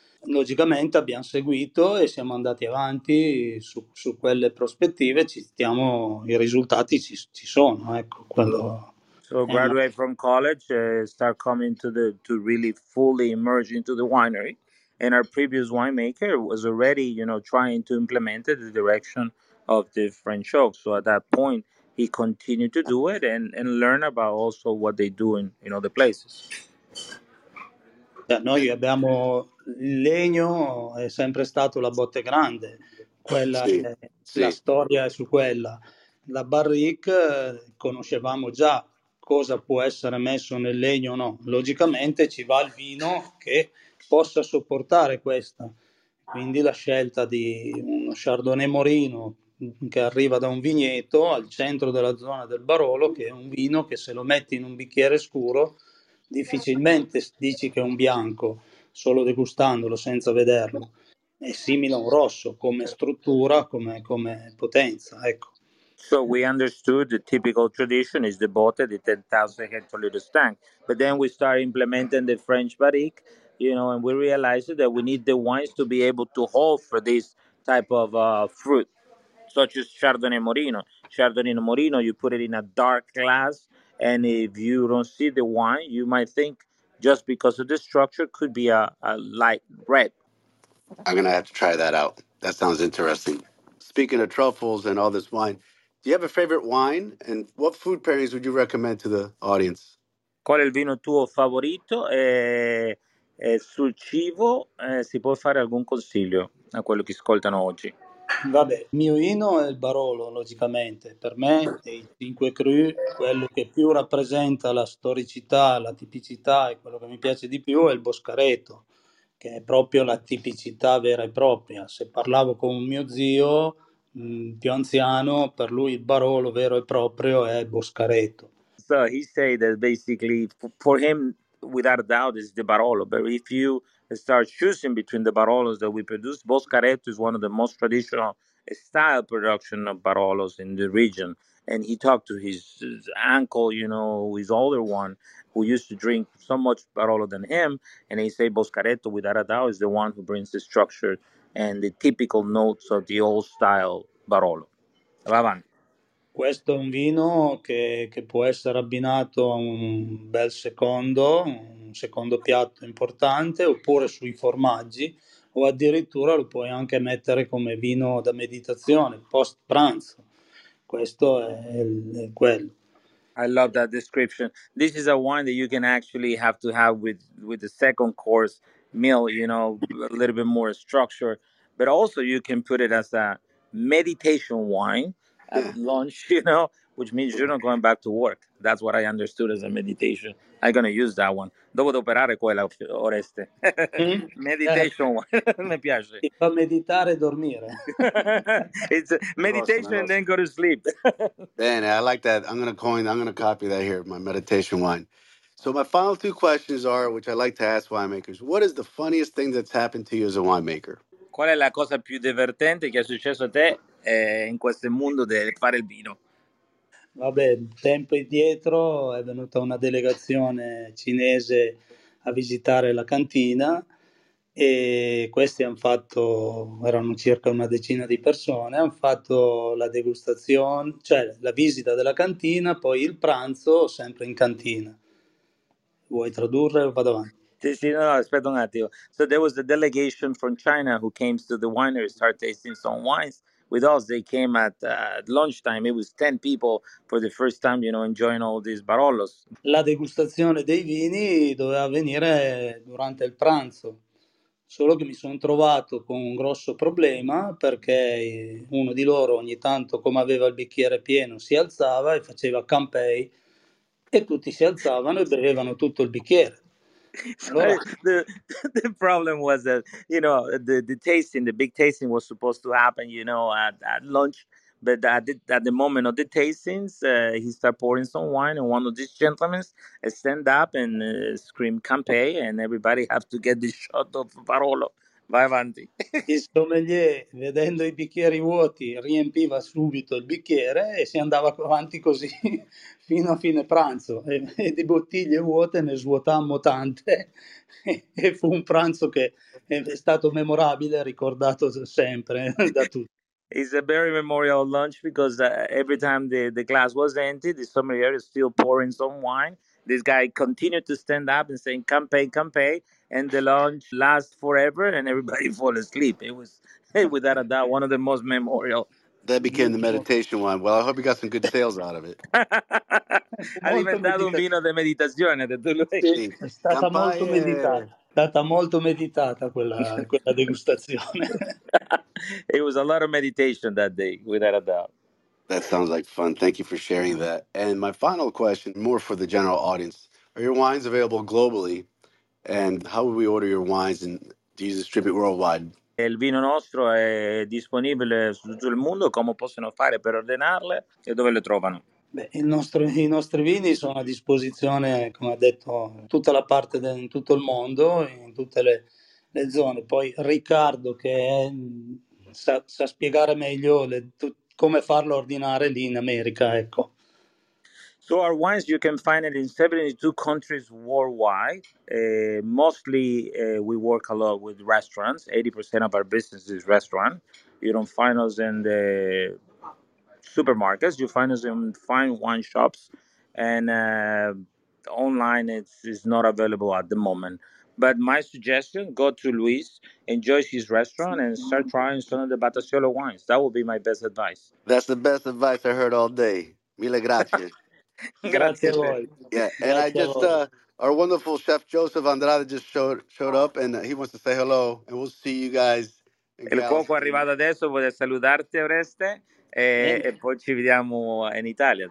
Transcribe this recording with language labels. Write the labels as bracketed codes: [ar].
[it] Logicamente abbiamo seguito e siamo andati avanti su quelle prospettive, i risultati ci sono, ecco, quello. [en] So graduate from college, start coming to really fully immerse into the winery, and our previous winemaker was already, you know, trying to implement the direction of the French oak. So at that point he continued to do it and learn about also what they do in other places. [it] Noi abbiamo il legno, è sempre stato la botte grande, quella sì. La storia è su quella. La barrique conoscevamo già cosa può essere messo nel legno o no. Logicamente ci va il vino che possa sopportare questa. Quindi la scelta di uno Chardonnay Morino che arriva da un vigneto al centro della zona del Barolo, che è un vino che se lo metti in un bicchiere scuro difficilmente dici che è un bianco, solo degustandolo, senza vederlo. È simile a un rosso come struttura, come potenza, ecco. [en] So we understood the typical tradition is the botte, the 10,000 hectoliters tank. But then we started implementing the French barrique, you know, and we realized that we need the wines to be able to hold for this type of fruit, such as Chardonnay Morino. Chardonnay Morino, you put it in a dark glass, and if you don't see the wine, you might think just because of the structure could be a light red. I'm going to have to try that out. That sounds interesting. Speaking of truffles and all this wine, do you have a favorite wine? And what food pairings would you recommend to the audience? [it] Qual è il vino tuo favorito? E sul cibo si può fare algún consiglio a quello che ascoltano oggi? Vabbè, il mio vino è il Barolo, logicamente. Per me, dei cinque cru, quello che più rappresenta la storicità, la tipicità e quello che mi piace di più è il Boscareto, che è proprio la tipicità vera e propria. Se parlavo con un mio zio, più anziano, per lui il Barolo vero e proprio è Boscareto. [en] So he said that basically, for him, without a doubt, is the Barolo. But if you start choosing between the Barolos that we produce, Boscareto is one of the most traditional style production of Barolos in the region. And he talked to his uncle, you know, his older one, who used to drink so much Barolo than him. And he said Boscareto, without a doubt, is the one who brings the structure and the typical notes of the old style Barolo. [it] Avanti. Questo è un vino che può essere abbinato a un bel secondo, un secondo piatto importante, oppure sui formaggi, o addirittura lo puoi anche mettere come vino da meditazione, post pranzo. Questo è quello. [en] I love that description. This is a wine that you can actually have to have with the second course meal, you know, a little bit more structure. But also you can put it as a meditation wine, at lunch, you know, which means you're not going back to work. That's what I understood as a meditation. I'm going to use that one. [it] Dopo operare quella, [en] Oreste. Meditation one. [it] Mi piace. Ti fa meditare e dormire. [en] It's meditation awesome. And then go to sleep. Man, I like that. I'm going to copy that here, my meditation one. So my final two questions are, which I like to ask winemakers, what is the funniest thing that's happened to you as a winemaker? [it] Qual è la cosa più divertente che è successo a te in questo mondo del fare il vino? Vabbè, tempo indietro è venuta una delegazione cinese a visitare la cantina e questi hanno fatto, erano circa una decina di persone, hanno fatto la degustazione, cioè la visita della cantina, poi il pranzo sempre in cantina. Vuoi tradurre o vado avanti? Sì, sì, no, aspetta un attimo. [en] So there was a delegation from China who came to the winery, start tasting some wines. With us, they came at lunchtime. It was 10 people for the first time, you know, enjoying all these Barolos. [it] La degustazione dei vini doveva avvenire durante il pranzo. Solo che mi sono trovato con un grosso problema perché uno di loro ogni tanto, come aveva il bicchiere pieno, si alzava e faceva campei e tutti si alzavano e bevevano tutto il bicchiere. [en] So the problem was that, you know, the tasting, the big tasting was supposed to happen, you know, at lunch. But at the moment of the tastings, he started pouring some wine and one of these gentlemen stand up and scream campei and everybody have to get the shot of Barolo. [it] Vai avanti. Il sommelier, vedendo i bicchieri vuoti, riempiva subito il bicchiere e si andava avanti così fino a fine pranzo. E di bottiglie vuote ne svuotammo tante e fu un pranzo che è stato memorabile, ricordato sempre da tutti. [en] It's a very memorial lunch because every time the glass was empty, the sommelier is still pouring some wine. This guy continued to stand up and saying campagne, campagne, and the lunch lasts forever and everybody fall asleep. It was, without a doubt, one of the most memorial. That became the meditation one. Well, I hope you got some good sales out of it. [it] Ha diventato un vino di meditazione, detto lui. È stata molto meditata. È stata molto meditata quella degustazione. [en] It was a lot of meditation that day, without a doubt. That sounds like fun. Thank you for sharing that. And my final question, more for the general audience, are your wines available globally? And how would we order your wines and do you distribute worldwide? [it] Il vino nostro è disponibile su tutto il mondo. Come possono fare per ordinarle e dove le trovano? Beh, i nostri vini sono a disposizione, come ha detto, tutta la parte in tutto il mondo, in tutte le zone. Poi Riccardo, che sa spiegare meglio come farlo ordinare lì in America, ecco. [en] So our wines, you can find it in 72 countries worldwide. Mostly, we work a lot with restaurants. 80% of our business is restaurant. You don't find us in the supermarkets. You find us in fine wine shops. And online, it's not available at the moment. But my suggestion, go to Luis, enjoy his restaurant, and start trying some of the Battasiolo wines. That would be my best advice. That's the best advice I heard all day. [it] Mille grazie. Grazie. [en] Yeah, and grazie. I just our wonderful chef Joseph Andrade just showed up and he wants to say hello and we'll see you guys. [it] Il cuoco è arrivato adesso, vuole salutarti Oreste e poi ci vediamo in Italia.